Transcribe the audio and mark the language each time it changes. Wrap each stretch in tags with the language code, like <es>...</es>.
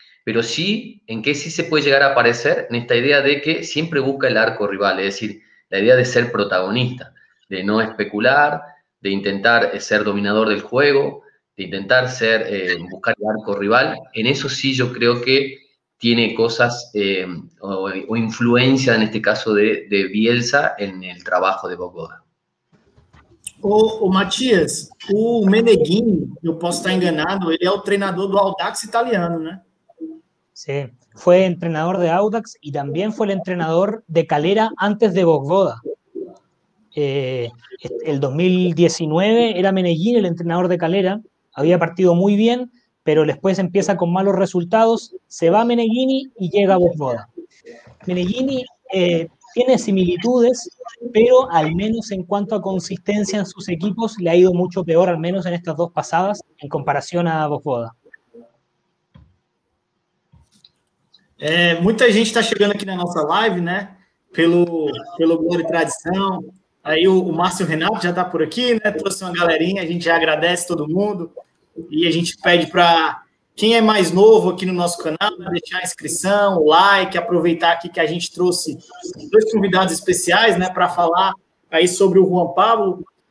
<es>pero sí en qué sí se puede llegar a aparecer en esta idea de que siempre busca el arco rival, es decir, la idea de ser protagonista, de no especular, de intentar ser dominador del juego, de intentar ser, buscar el arco rival. En eso sí yo creo que tiene cosas, o influencia en este caso de Bielsa en el trabajo de Bogdan.</es> <pt>O Matias, o Meneghin, eu posso estar enganado, ele é o treinador do Audax italiano, né? Sim, sí, foi treinador de Audax e também foi treinador de Calera antes de Bogdan.</pt> <es>El 2019 era Meneghin el entrenador de Calera, había partido muy bien, pero después empieza con malos resultados, se va Meneghini y llega Bogdan. Meneghini tiene similitudes, pero al menos en cuanto a consistencia en sus equipos le ha ido mucho peor, al menos en estas dos pasadas, en comparación a Bogdan. Mucha gente está llegando aquí en nuestra live, ¿no?</es> <pt>Pelo Glória e Tradição. Aí o Márcio Renato já está por aqui, né? Trouxe uma galerinha, a gente já agradece todo mundo. E a gente pede para quem é mais novo aqui no nosso canal, né, deixar a inscrição, o like, aproveitar aqui que a gente trouxe dois convidados especiais, né, para falar aí sobre o Juan Pablo.</pt>